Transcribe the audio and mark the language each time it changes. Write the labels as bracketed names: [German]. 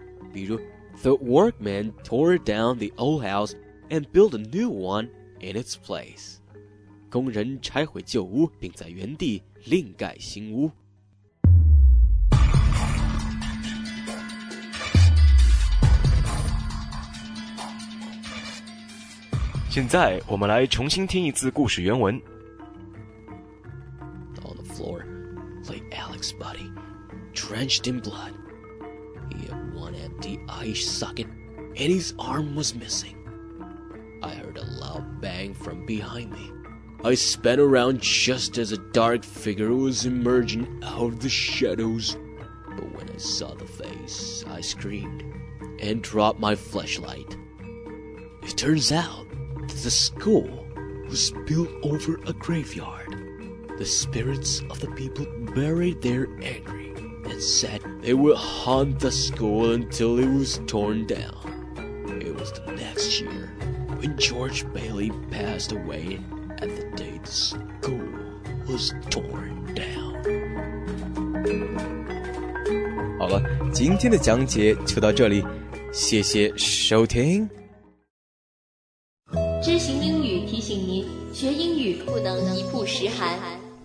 [English] 比如 The workman tore down the old house and built a new one in its place， [Chinese] 工人拆毁旧屋，并在原地另盖新屋。现在我们来重新听一次故事原文。 [English] On the floor, lay Alex's body, drenched in blood. He had one empty eye socket, and his arm was missing. I heard a loud bang from behind me. I spun around just as a dark figure was emerging out of the shadows. But when I saw the face, I screamed and dropped my flashlight. It turns out. The school was built over a graveyard. The spirits of the people buried there angry and said they would haunt the school until it was torn down. It was the next year when George Bailey passed away and the day the school was torn down. [Chinese] 好了，今天的讲解就到这里，谢谢收听。知行英语提醒您，学英语不能一步十寒。